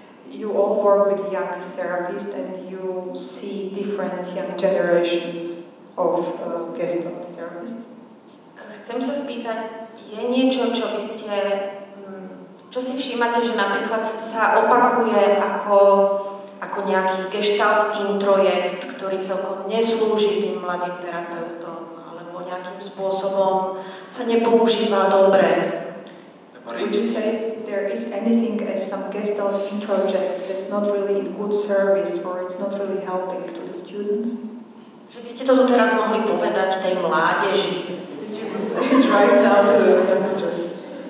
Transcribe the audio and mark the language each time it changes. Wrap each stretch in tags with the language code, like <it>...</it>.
<en>You all work with young therapists and you see different young generations of gestalt therapists.</en> <sk>Chcem sa spýtať, je niečo, čo by ste, čo si všímate, že napríklad sa opakuje ako nejaký gestalt introjekt, ktorý celkom neslúži tým mladým terapeutom, alebo nejakým spôsobom sa nepoužíva dobre.</sk> <en>Would you say there is anything as some gestalt introject that's not really in good service or it's not really helping to the students?</en> <sk>Že by ste toto teraz mohli povedať tej mládeži?</sk> <en>Did you say it right now to the youngsters?</en>